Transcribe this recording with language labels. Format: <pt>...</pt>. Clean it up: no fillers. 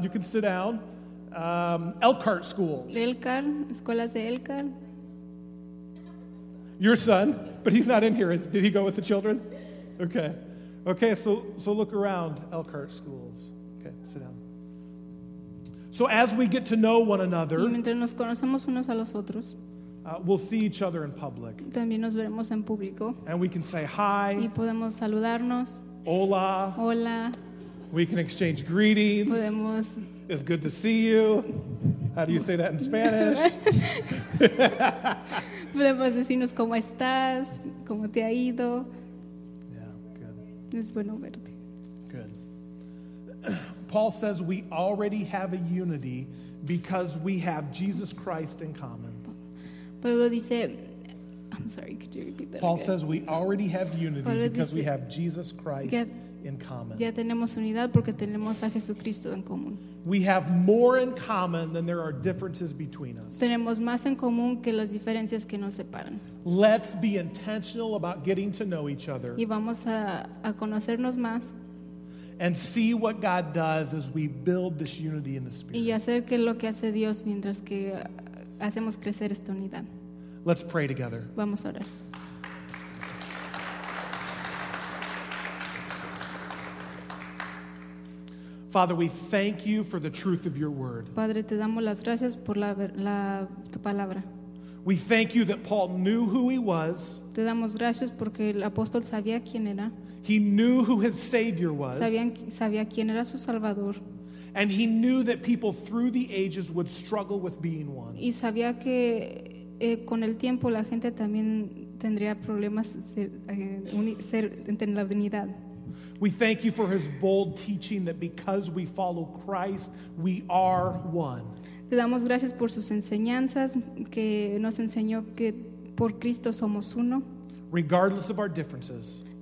<en>You can sit down. Elkhart schools.</en> <es>Elkhart. Escuelas de Elkhart.</es> <en>Your son, but he's not in here. Did he go with the children? Okay. So look around Elkhart schools. Okay, sit down. So as we get to know one another,</en> <es>y mientras nos conocemos unos a los otros,</es> <en>we'll see each other in public.</en> <es>También nos veremos en público.</es> <en>And we can say hi.</en> <es>Y podemos saludarnos. Hola. Hola.</es> <en>We can exchange greetings.</en> <es>Podemos.</es> <en>It's good to see you. How do you say that in Spanish?</en> <es>Podemos decirnos cómo estás, cómo te ha ido.</es> <en>Yeah, good.</en> <es>Es bueno verte.</es> <en>Good. Paul says we already have a unity because we have Jesus Christ in common.</en> <es>Pablo dice,</es> <en>I'm sorry, could you repeat that Paul again? Says we already have unity Pablo because dice, we have Jesus Christ in common.</en> <es>Ya tenemos unidad porque tenemos a Jesucristo en común.</es> <en>We have more in common than there are differences between us.</en> <es>Tenemos más en común que las diferencias que nos separan.</es> <en>Let's be intentional about getting to know each other.</en> <es>Y vamos a conocernos más.</es> <en>And see what God does as we build this unity in the Spirit.</en> <es>Y hacer que lo que hace Dios mientras que hacemos crecer esta unidad.</es> <en>Let's pray together.</en> <es>Vamos a orar.</es> <en>Father, we thank you for the truth of your word.</en> <es>Padre, te damos las gracias por tu palabra.</es> <en>We thank you that Paul knew who he was.</en> <es>Te damos gracias porque el apóstol sabía quién era.</es> <en>He knew who his Savior was.</en> <es>Sabía quién era su Salvador.</es> <en>And he knew that people through the ages would struggle with being one.</en> <es>Y sabía que con el tiempo la gente también tendría problemas en la unidad.</es> <en>We thank you for his bold teaching that because we follow Christ, we are one.</en> <es>Te damos gracias por sus enseñanzas que nos enseñó que por Cristo somos uno.</es> <en>Regardless of our differences.</en>